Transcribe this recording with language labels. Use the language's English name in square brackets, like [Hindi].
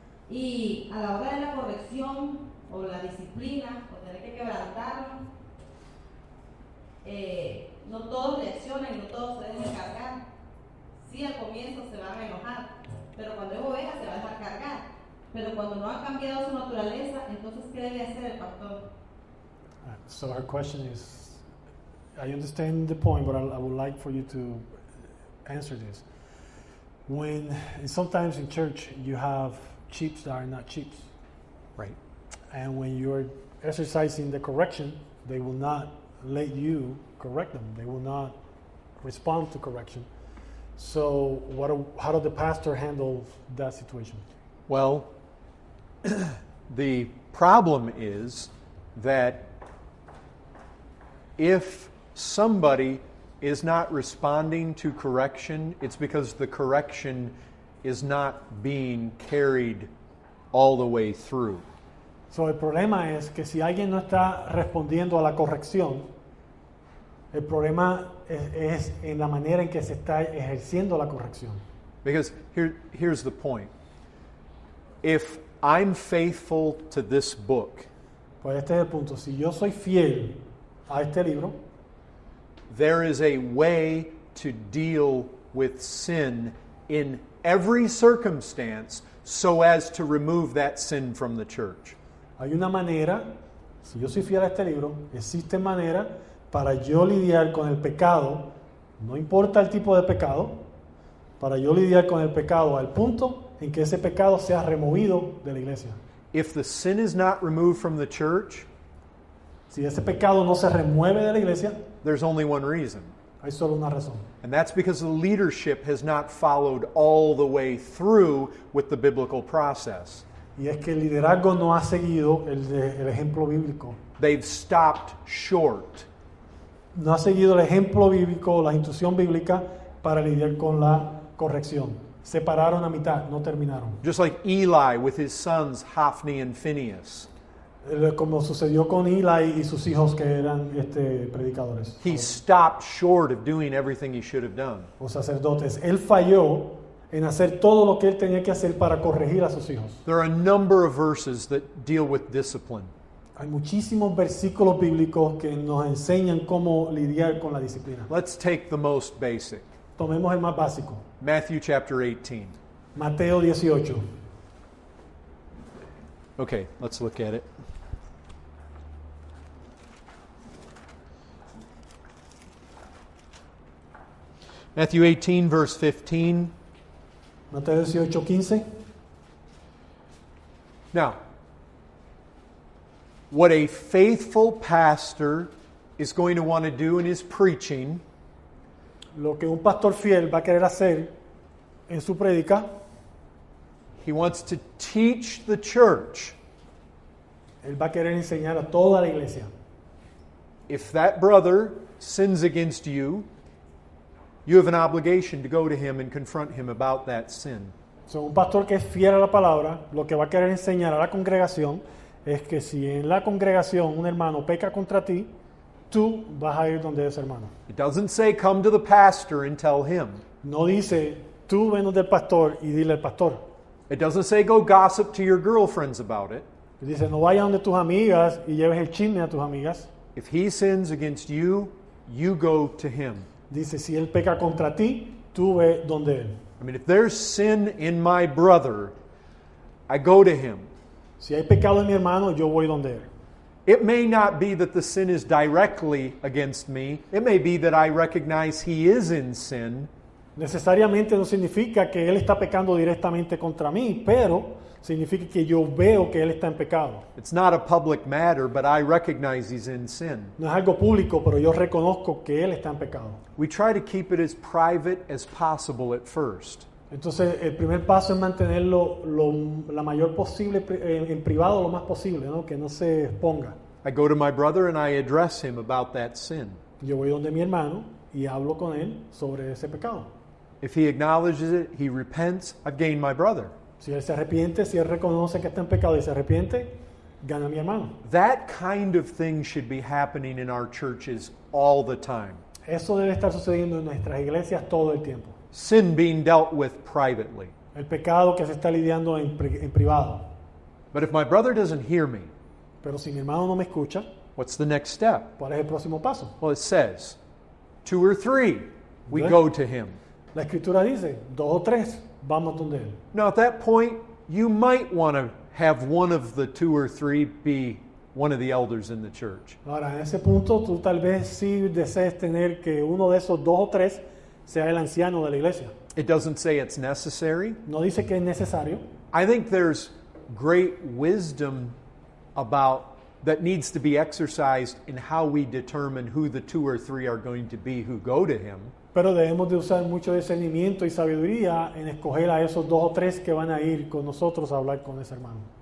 [Spanish] Y a la hora de la corrección o la disciplina, o tener que quebrantarlo, no todos reaccionan, no todos se dejan cargar. Sí, al comienzo se van a enojar, pero cuando es oveja se va a dejar cargar. Pero cuando no ha cambiado su naturaleza, entonces, ¿qué debe hacer el pastor? [English] So our question is, I understand the point, but I would like for you to answer this. When, and sometimes in church, you have sheep that are not sheep. Right. And when you're exercising the correction, they will not let you correct them. They will not respond to correction. So what? How does the pastor handle that situation? Well, the problem is that if somebody is not responding to correction, it's because the correction is not being carried all the way through. [Spanish] So el problema es que si alguien no está respondiendo a la corrección, el problema es en la manera en que se está ejerciendo la corrección. [English] Because here's the point. If I'm faithful to this book, [Spanish] pues este es el punto. Si yo soy fiel a este libro, [English] there is a way to deal with sin in every circumstance so as to remove that sin from the church. [Spanish] Hay una manera, si yo soy fiel a este libro, existe manera para yo lidiar con el pecado, no importa el tipo de pecado, para yo lidiar con el pecado al punto en que ese pecado sea removido de la iglesia. [English] If the sin is not removed from the church, [Spanish] si ese pecado no se remueve de la iglesia, [English] there's only one reason. [Spanish] Hay solo una razón. [English] And that's because the leadership has not followed all the way through with the biblical process. [Spanish] Y es que el liderazgo no ha seguido el ejemplo bíblico. [English] They've stopped short. [Spanish] No ha seguido el ejemplo bíblico, la instrucción bíblica para lidiar con la corrección. Se pararon a mitad, no terminaron. [English] Just like Eli with his sons Hophni and Phinehas. [Spanish] Como sucedió con Eli y sus hijos que eran predicadores. [English] He stopped short of doing everything he should have done. [Spanish] Los sacerdotes, él falló en hacer todo lo que él tenía que hacer para corregir a sus hijos. [English] There are a number of verses that deal with discipline. [Spanish] Hay muchísimos versículos bíblicos que nos enseñan cómo lidiar con la disciplina. [English] Let's take the most basic. [Spanish] Tomemos el más básico. [English] Matthew chapter 18. [Spanish] Mateo 18. [English] Okay, let's look at it. Matthew 18, verse 15. [Spanish] Mateo 18, 15. [English] Now, what a faithful pastor is going to want to do in his preaching, [Spanish] lo que un pastor fiel va a querer hacer en su predica, [English] he wants to teach the church. [Spanish] Él va a querer enseñar a toda la iglesia. [English] If that brother sins against you, you have an obligation to go to him and confront him about that sin. [Spanish] So, un pastor que es fiel a la palabra, lo que va a querer enseñar a la congregación es que si en la congregación un hermano peca contra ti, tú vas a ir donde ese hermano. [English] It doesn't say come to the pastor and tell him. [Spanish] No dice tú ven donde el pastor y dile al pastor. [English] It doesn't say go gossip to your girlfriends about it. [Spanish] Dice no vayas donde tus amigas y lleves el chisme a tus amigas. [English] If he sins against you, you go to him. [Spanish] Dice, si él peca contra ti, tú ve donde él. [English] I mean, if there's sin in my brother, I go to him. [Spanish] Si hay pecado en mi hermano, yo voy donde él. [English] It may not be that the sin is directly against me. It may be that I recognize he is in sin. [Spanish] Necesariamente no significa que él está pecando directamente contra mí, pero significa que yo veo que él está en pecado. [English] It's not a public matter, but I recognize he's in sin. [Spanish] No es algo público, pero yo reconozco que él está en pecado. [English] We try to keep it as private as possible at first. [Spanish] Entonces, el primer paso es mantenerlo la mayor posible en privado, lo más posible, ¿no? Que no se exponga. [English] I go to my brother and I address him about that sin. [Spanish] Yo voy donde mi hermano y hablo con él sobre ese pecado. [English] If he acknowledges it, he repents, I've gained my brother. [Spanish] Si él se arrepiente, si él reconoce que está en pecado y se arrepiente, gana a mi hermano. [English] That kind of thing should be happening in our churches all the time. [Spanish] Eso debe estar sucediendo en nuestras iglesias todo el tiempo. [English] Sin being dealt with privately. [Spanish] El pecado que se está lidiando en privado. [English] But if my brother doesn't hear me, [Spanish] pero si mi hermano no me escucha, [English] what's the next step? [Spanish] ¿Cuál es el próximo paso? [English] Well, it says, two or three, we go to him. [Spanish] La escritura dice, dos o tres, vamos donde él. [English] Now at that point, you might want to have one of the two or three be one of the elders in the church. [Spanish] Ahora, en ese punto, tú tal vez sí desees tener que uno de esos dos o tres sea el anciano de la iglesia. [English] It doesn't say it's necessary. [Spanish] No dice que es necesario. [English] I think there's great wisdom about that needs to be exercised in how we determine who the two or three are going to be who go to him. [Spanish] Pero debemos de usar mucho discernimiento y sabiduría en escoger a esos dos o tres que van a ir con nosotros a hablar con ese hermano.